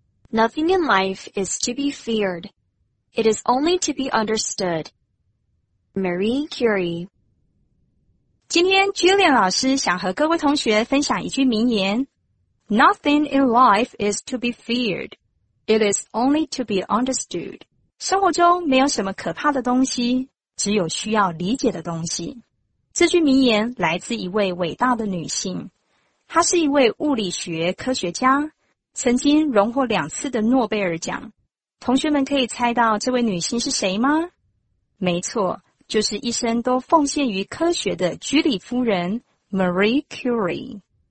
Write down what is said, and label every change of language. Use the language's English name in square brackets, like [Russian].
[English] Nothing in life is to be feared. It is only to be understood. Marie Curie。 [Chinese] 今天 Julian 老师想和各位同学分享一句名言 [English] Nothing in life is to be feared. It is only to be understood. [Chinese] 生活中没有什么可怕的东西，只有需要理解的东西。这句名言来自一位伟大的女性，她是一位物理学科学家，曾经荣获两次的诺贝尔奖。同学们可以猜到这位女性是谁吗？没错，就是一生都奉献于科学的居里夫人 Marie Curie。